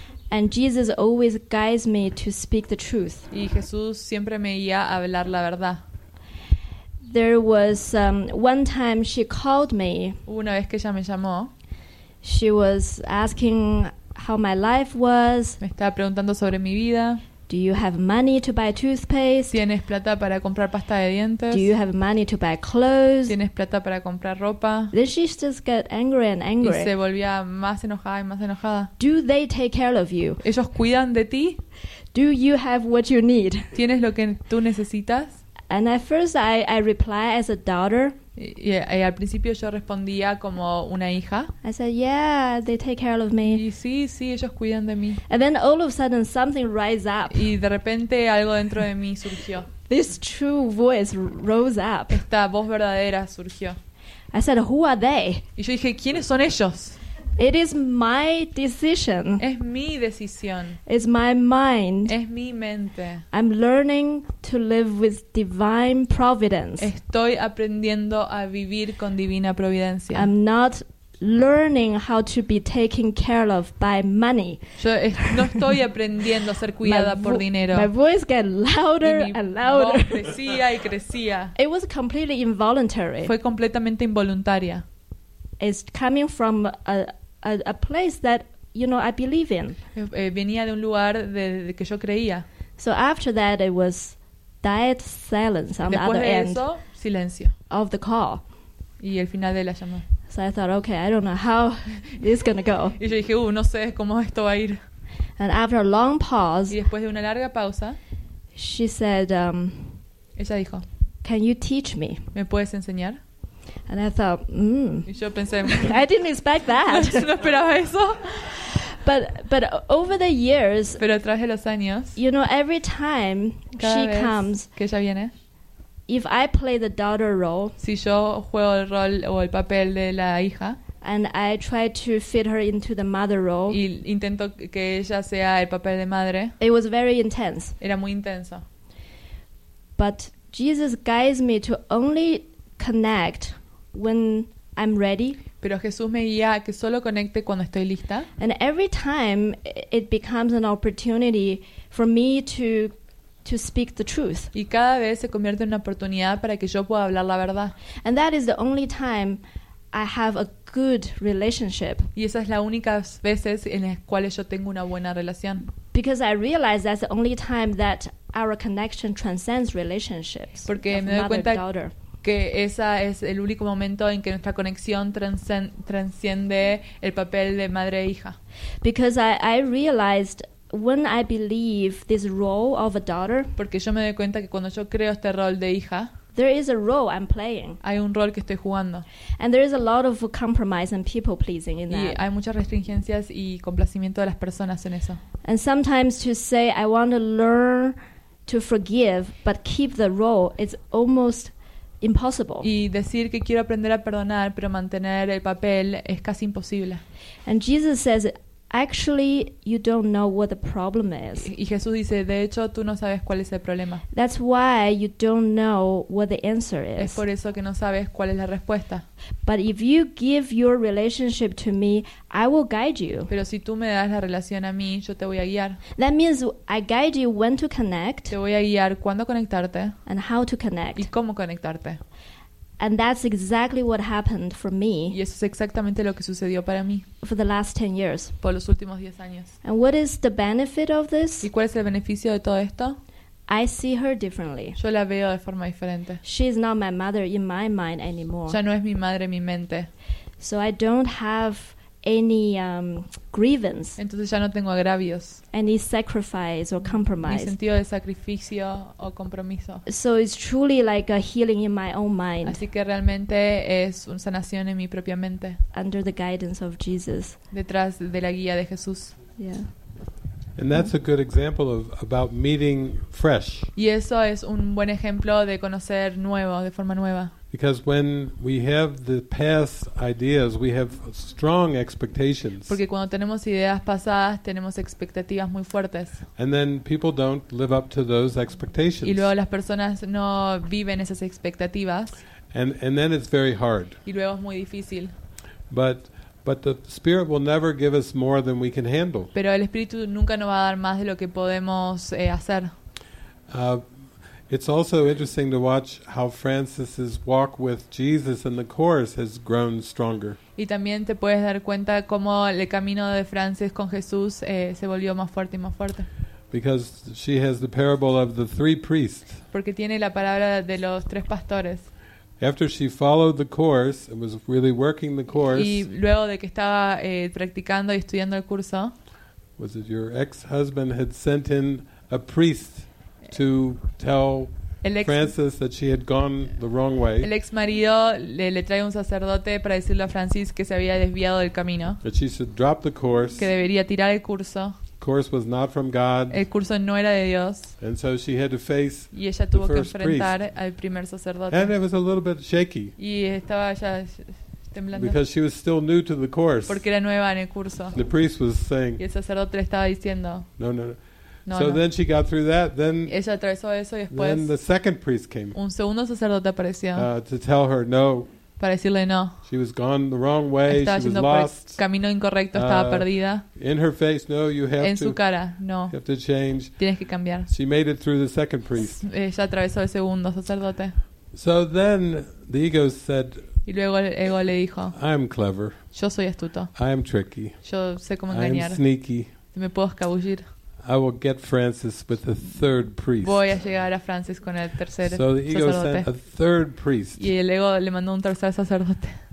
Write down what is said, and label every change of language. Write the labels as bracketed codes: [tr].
[en] And Jesus always guides me to speak the truth. [es] Y Jesús siempre me guía a hablar la verdad. [en] There was one time she called me. [es] Una vez que ella me llamó. [en] She was asking how my life was. [es] Me estaba preguntando sobre mi vida. [en] Do you have money to buy toothpaste? [es] ¿Tienes plata para comprar pasta de dientes? [en] Do you have money to buy clothes? [es] ¿Tienes plata para comprar ropa? [en] Then she just got angry and angry. [es] Y se volvía más enojada y más enojada. [en] Do they take care of you? [es] ¿Ellos cuidan de ti? [en] Do you have what you need? [es] ¿Tienes lo que tú necesitas? [en] And at first I reply as a daughter. [es] Y al principio yo respondía como una hija. [en] I said, yeah, they take care of me. [es] Y sí, ellos cuidan de mí. [en] And then all of a sudden something rises up. [es] Y de repente algo dentro de mí surgió. [en] This true voice rose up. [es] Esta voz verdadera surgió. [en] I said, who are they? [es] Y yo dije, ¿quiénes son ellos? [en] It is my decision. [es] Es mi decisión. [en] It's my mind. [es] Es mi mente. [en] I'm learning to live with divine providence. [es] Estoy aprendiendo a vivir con divina providencia. [en] I'm not learning how to be taken care of by money. [es] Yo no estoy aprendiendo a ser cuidada por dinero. [en] My voice got louder and louder. [es] Y mi voz crecía y crecía. [en] It was completely involuntary. [es] Fue completamente involuntaria. [en] Is coming from a place that, you know, I believe in. [es] Venía de un lugar de que yo creía. [en] So after that, it was dead silence on [es] después [en] the other [es] de eso, [en] end [es] silencio. [en] Of the call. [es] Y el final de la llamada. [en] So I thought, okay, I don't know how this is going to go. [es] Y yo dije, no sé cómo esto va a ir. [en] And after a long pause, [es] y después de una larga pausa, [en] she said, [es] ella dijo, [en] can you teach me? [es] ¿Me puedes enseñar? [en] And I thought, [es] y yo pensé, [en] I didn't expect that. [es] No esperaba eso. [en] But over the years, [es] pero a través de los años, [en] you know, every time [es] cada [en] she [es] vez [en] comes, [es] que ella viene, [en] if I play the daughter role, [es] si yo juego el rol o el papel de la hija, [en] and I try to fit her into the mother role, [es] y intento que ella sea el papel de madre, [en] it was very intense. [es] Era muy intenso. [en] But Jesus guides me to only connect when I'm ready. [es] Pero Jesús me guía a que solo conecte cuando estoy lista. [en] And every time it becomes an opportunity for me to speak the truth. [es] Y cada vez se convierte en una oportunidad para que yo pueda hablar la verdad. [en] And that is the only time I have a good relationship. [es] Y esa es la única veces en las cuales yo tengo una buena relación. [en] Because I realize that's the only time that our connection transcends relationships. [es] Porque me doy cuenta que esa es el único momento en que nuestra conexión transciende el papel de madre e hija. [en] Because I realized when I believe this role of a daughter, [es] porque yo me doy cuenta que cuando yo creo este rol de hija, [en] there is a role I'm playing. [es] Hay un rol que estoy jugando. [en] And there is a lot of compromise and people pleasing in [es] y [en] that. [es] Hay muchas restringencias y complacimiento de las personas en eso. [en] And sometimes to say I want to learn to forgive but keep the role, it's almost impossible. [es] Y decir que quiero aprender a perdonar pero mantener el papel es casi imposible. [en] And Jesus says, actually you don't know what the problem is. [es] Y Jesús dice, de hecho tú no sabes cuál es el problema. [en] That's why you don't know what the answer is. [es] Es por eso que no sabes cuál es la respuesta. [en] But if you give your relationship to me, I will guide you. [es] Pero si tú me das la relación a mí, yo te voy a guiar. [en] That means I guide you when to connect. [es] Te voy a guiar cuándo conectarte. [en] And how to connect. [es] Y cómo conectarte. [en] And that's exactly what happened for me. [es] Y eso es exactamente lo que sucedió para mí. [en] For the last 10 years. [es] Por los últimos 10 años. [en] And what is the benefit of this? [es] ¿Y cuál es el beneficio de todo esto? [en] I see her differently. [es] Yo la veo de forma diferente. [en] She's not my mother in my mind anymore. [es] Ya no es mi madre en mi mente. [en] So I don't have any grievance. [es] Entonces ya no tengo agravios. [en] Any sacrifice or compromise. [es] Ni sentido de sacrificio o compromiso. [en] So it's truly like a healing in my own mind. [es] Así que realmente es una sanación en mi propia mente. [en] Under the guidance of Jesus. [es] Detrás de la guía de Jesús. [en] Yeah. And that's a good example of about meeting fresh. [es] Y eso es un buen ejemplo de conocer nuevo, de forma nueva. [en] Because when we have the past ideas, we have strong expectations. [es] Porque cuando tenemos ideas pasadas, tenemos expectativas muy fuertes. [en] And then people don't live up to those expectations. [es] Y luego las personas no viven esas expectativas. [en] And then it's very hard. [es] Y luego es muy difícil. [en] But the Spirit will never give us more than we can handle. [es] Pero el Espíritu nunca nos va a dar más de lo que podemos hacer. [en] It's also interesting to watch how Francis's walk with Jesus in the course has grown stronger. [es] Y también te puedes dar cuenta cómo el camino de Francis con Jesús se volvió más fuerte y más fuerte. [en] Because she has the parable of the three priests. [es] Porque tiene la palabra de los tres pastores. [en] After she followed the course and was really working the course. [es] Y luego de que estaba practicando y estudiando el curso. [en] Was it your ex-husband had sent in a priest? To tell Francis that she had gone the wrong way. [es] El ex marido le trae un sacerdote para decirle a Francis que se había desviado del camino. [en] That she should drop the course. [es] Que debería tirar el curso. [en] The course was not from God. [es] El curso no era de Dios. [en] And so she had to face the first priest. [es] Y ella tuvo que enfrentar al primer sacerdote. [en] And it was a little bit shaky. [es] Y estaba ya temblando. [en] Because she was still new to the course. [es] Porque era nueva en el curso. [en] The priest was saying. [es] Y el sacerdote le estaba diciendo. [en] No, no, no. Then she got through that. Then, [es] ella atravesó eso y después, [en] then the second priest came. [es] Un segundo sacerdote apareció. [en] To tell her no. [es] Para decirle no. [en] She was gone the wrong way. [es] Estaba [en] she was lost. [es] Camino incorrecto. Estaba perdida. [en] In her face, no, you have [es] en [en] to. [es] En su cara, no. [en] You have to change. [es] Tienes que cambiar. [en] She made it through the second priest. [es] Ella atravesó el segundo sacerdote. [en] So then the ego said. [es] Y luego el ego le dijo. [en] I'm clever. [es] Yo soy astuto. [en] I'm tricky. [es] Yo sé cómo engañar. [en] I'm sneaky. [es] Me puedo escabullir. [en] I will get Francis with the third priest. [es] Voy a llegar a Francis con el tercer [en] so the ego [es] sacerdote. [en] Sent a third priest. [es] Y el ego le mandó un tercer sacerdote.